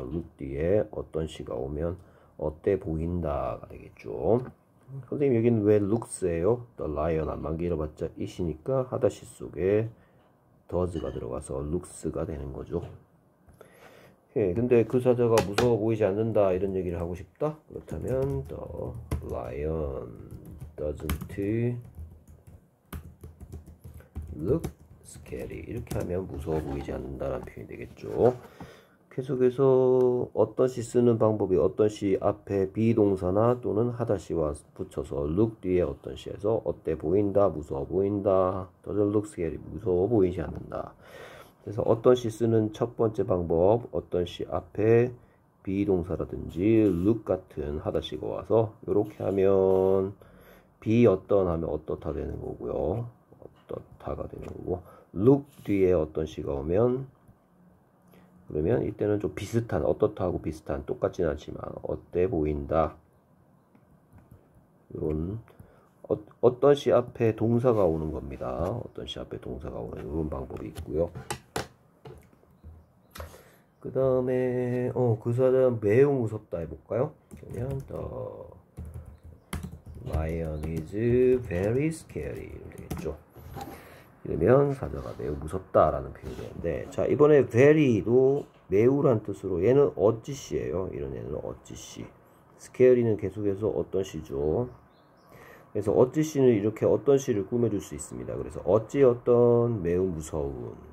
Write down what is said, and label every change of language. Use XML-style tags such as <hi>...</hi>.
<ko>look 뒤에 어떤 시가 오면 어때 보인다가 되겠죠. 선생님 여기는 왜 looks예요? The lion 안만 길어봤자 it이니까 하다시 속에 does가 들어가서 looks가 되는 거죠. 예, 근데 그 사자가 무서워 보이지 않는다 이런 얘기를 하고 싶다? 그렇다면</ko> <en>the lion doesn't look scary.</en> <ko>이렇게 하면 무서워 보이지 않는다는 표현이 되겠죠. 계속해서 어떤 시 쓰는 방법이 어떤 시 앞에 be 동사나 또는 하다 시와 붙여서 look 뒤에 어떤 시에서 어때 보인다, 무서워 보인다,</ko> <en>doesn't look scary,</en> <ko>무서워 보이지 않는다. 그래서 어떤 시 쓰는 첫 번째 방법, 어떤 시 앞에 be 동사라든지 look 같은 하다 시가 와서 이렇게 하면 be 어떤 하면 어떻다 되는 거고요. 어떻다가 되는 거고 look 뒤에 어떤 시가 오면 그러면 이때는 좀 비슷한, 어떻다고 비슷한, 똑같진 않지만, 어때 보인다. 이런, 어떤 시 앞에 동사가 오는 겁니다. 어떤 시 앞에 동사가 오는 이런 방법이 있고요. 그 다음에, 그 사자는 매우 무섭다 해볼까요? 그냥,</ko> <en>The lion is very scary.</en> <ko>이렇게 되겠죠. 이러면 사자가 매우 무섭다라는 표현이 되는데, 자, 이번에 very도 매우란 뜻으로 얘는 어찌시예요. 이런 애는 어찌시. 스케어리는 계속해서 어떤 시죠. 그래서 어찌시는 이렇게 어떤 시를 꾸며줄 수 있습니다. 그래서 어찌 어떤 매우 무서운.</ko>